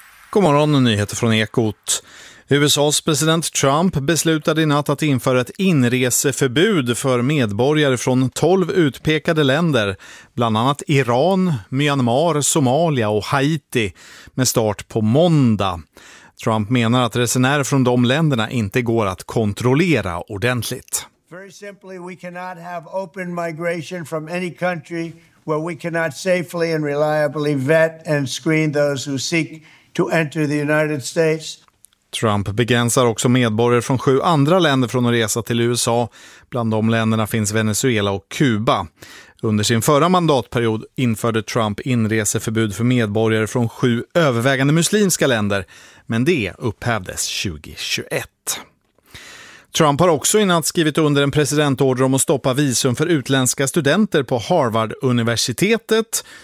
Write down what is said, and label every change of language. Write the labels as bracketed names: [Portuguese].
[Swedish] God morgon, nyheter från Ekot. USAs president Trump beslutade i natt att införa ett inreseförbud för medborgare från 12 utpekade länder, bland annat Iran, Myanmar, Somalia och Haiti, med start på måndag. Trump menar att resenärer från de länderna inte går att kontrollera ordentligt. [English] Very simply, we cannot have open migration from any country where we cannot safely and reliably vet and screen those who seek to enter the United States. [Swedish] Trump begränsar också medborgare från 7 andra länder från att resa till USA. Bland de länderna finns Venezuela och Kuba. Under sin förra mandatperiod införde Trump inreseförbud för medborgare från 7 övervägande muslimska länder. Men det upphävdes 2021. Trump har också innan skrivit under en presidentorder om att stoppa visum för utländska studenter på Harvard-universitetet.